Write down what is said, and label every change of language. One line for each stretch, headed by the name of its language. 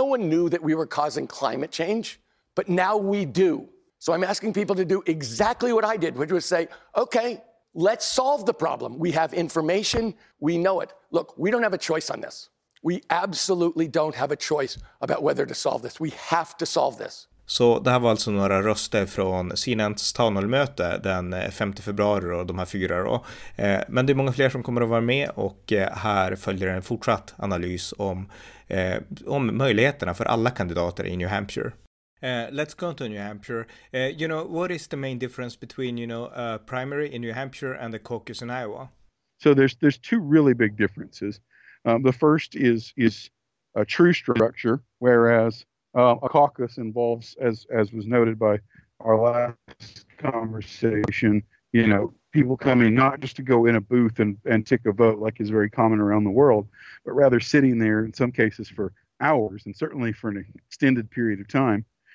English: No one knew that we were causing climate change, but now we do. So I'm asking people to do exactly what I did, which was say, okay, let's solve the problem. We have information, we know it. Look, we don't have a choice on this. We absolutely don't have a choice about whether to solve this. We have to solve this.
Swedish: Så det här var alltså några röster från CNNs townhall-möte den 5 februari och de här fyra då. Men det är många fler som kommer att vara med och här följer en fortsatt analys om möjligheterna för alla kandidater i New Hampshire.
English: Let's go to New Hampshire. What is the main difference between, a primary in New Hampshire and a caucus in Iowa? So there's two really big differences. The first is a true structure, whereas a caucus involves, as was noted by our last conversation, people coming not just to go in a booth and tick a vote like is very common around the world, but rather sitting there in some cases for hours and certainly for an extended period of time.